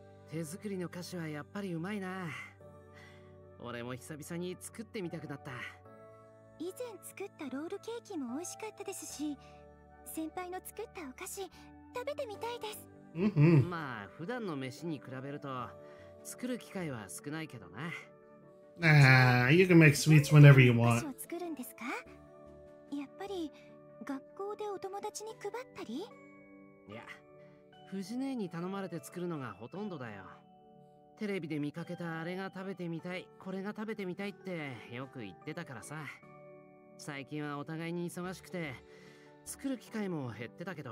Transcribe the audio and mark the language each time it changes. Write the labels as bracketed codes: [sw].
[ja] 手作りの菓子はやっぱりうまいな。俺も久々に作ってみたくなった。以前作ったロールケーキも美味しかったですし、先輩の作ったお菓子食べてみたいです。まあ普段の飯に比べると作る機会は少ないけどな。 [en] Ah, you can make sweets whenever you want. [ja] 何を作るんですか？やっぱり学校でお友達に配ったり？いや、富士姉に頼まれて作るのがほとんどだよ。テレビで見かけたあれが食べてみたい、これが食べてみたいってよく言ってたからさ。最近はお互いに忙しくて作る機会も減ってたけど。